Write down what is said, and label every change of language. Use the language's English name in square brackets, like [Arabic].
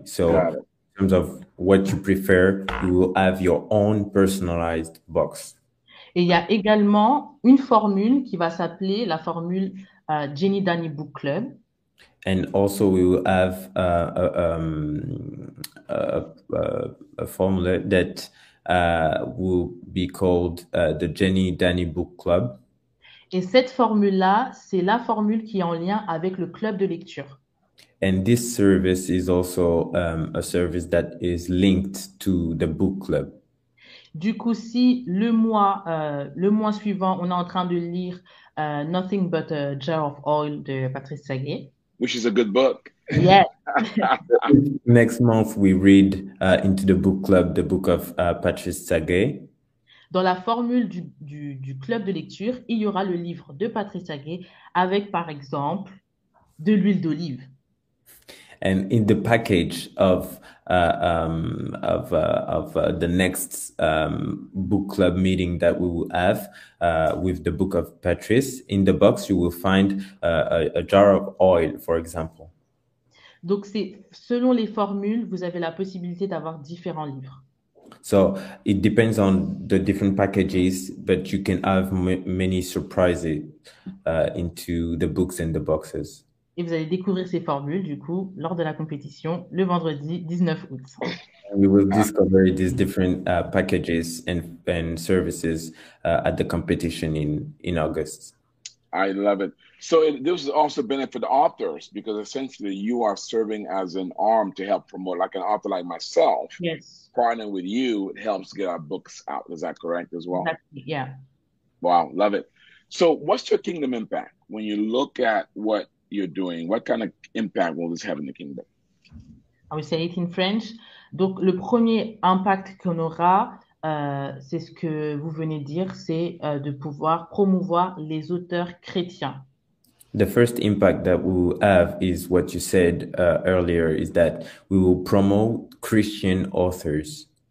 [English] So in terms of what you prefer, you will have your own personalized box. [French] Et il y a également une formule qui va s'appeler la formule Jenny Dani Book Club. [English] And also we will have a formula that will be called the Jenny Dani Book Club. [French] Et cette formule-là, c'est la formule qui est en lien avec le club de lecture. [English] And this service is also a service that is linked to the book club. [French] Du coup, si le mois suivant, on est en train de lire Nothing But a Jar of Oil de Patrice Saguet. [English] Which is a good book. Yeah. Next month, we read Into the Book Club, the book of Patrice Saguet. [French] Dans la formule du club de lecture, il y aura le livre de Patrice Saguet avec, par exemple, de l'huile d'olive. [English] And in the package of the next book club meeting that we will have with the Book of Patrice, in the box you will find a jar of oil, for example. [French] Donc c'est selon les formules, vous avez la possibilité d'avoir différents livres. [English] So it depends on the different packages, but you can have many surprises into the books and the boxes. [French] Et vous allez découvrir ces formules, du coup, lors de la compétition, le vendredi 19 août. [English] We will discover these different packages and services at the competition in August. I love it. So this is also benefit authors, because essentially you are serving as an arm to help promote, like an author like myself. Yes. Partnering with you, it helps get our books out. Is that correct as well? Exactly. Yeah. Wow, love it. So what's your kingdom impact? When you look at what you're doing, what kind of impact will this have in the kingdom? I will say it in French. [French] Donc le premier impact qu'on aura, c'est ce que vous venez de dire, c'est de pouvoir promouvoir les auteurs chrétiens. [English] The first impact that we will have is what you said earlier, is that we will promote Christian authors.